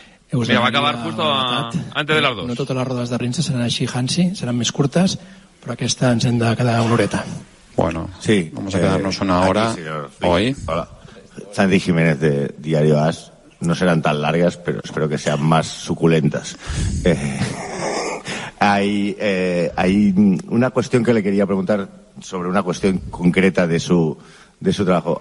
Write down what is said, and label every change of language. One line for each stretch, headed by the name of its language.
Spanish: Mira, va acabar justo antes de las dos.
Catalan: No totes les rodes de premsa seran així, Hansi, seran més curtes, però aquesta ens hem de quedar una horeta.
Spanish: Bueno, sí, vamos a quedarnos una hora hoy. Hola. Santi Jiménez de Diario AS. No serán tan largas, pero espero que sean más suculentas. Hay una cuestión que le quería preguntar sobre una cuestión concreta de su trabajo.